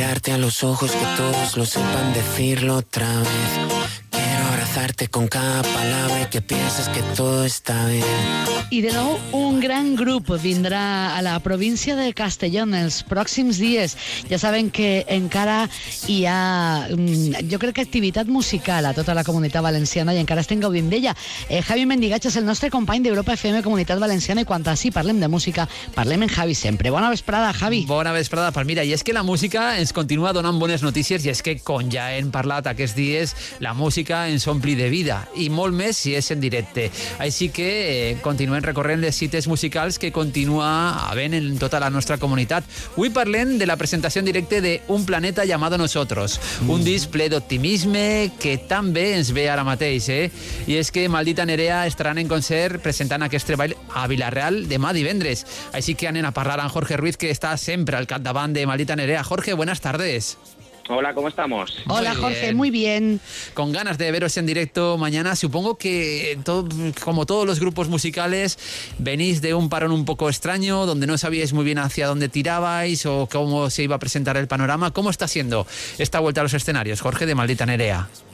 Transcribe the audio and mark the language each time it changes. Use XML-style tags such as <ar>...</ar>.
<es>A los ojos, que todos lo sepan decirlo otra vez. Quiero abrazarte con cada palabra y que pienses que todo está bien.</es> <ca>I de nou, un gran grup vindrà a la província de Castellón els pròxims dies. Ja saben que encara hi ha, jo crec que, activitat musical a tota la Comunitat Valenciana i encara estem gaudint d'ella. Javi Mendigatx és el nostre company d'Europa FM Comunitat Valenciana i quan així parlem de música, parlem en Javi sempre. Bona vesprada, Javi. Bona vesprada, Palmira. I és que la música ens continua donant bones notícies i és que, com ja hem parlat aquests dies, la música ens ompli de vida i molt més si és en directe. Així que continuem. Continuem recorrent les cites musicals que continua havent en tota la nostra comunitat. Avui parlem de la presentació en directe de Un planeta llamado Nosotros, un disc ple d'optimisme que tan bé ens ve ara mateix, I és que Maldita Nerea estaran en concert presentant aquest treball a Vila-real demà divendres. Així que anem a parlar amb Jorge Ruiz, que està sempre al capdavant de Maldita Nerea.</ca> <es>Jorge, buenas tardes. Hola, ¿cómo estamos? Hola, Jorge, muy bien. Con ganas de veros en directo mañana. Supongo que, como todos los grupos musicales, venís de un parón un poco extraño, donde no sabíais muy bien hacia dónde tirabais o cómo se iba a presentar el panorama. ¿Cómo está siendo esta vuelta a los escenarios, Jorge, de Maldita Nerea?</es>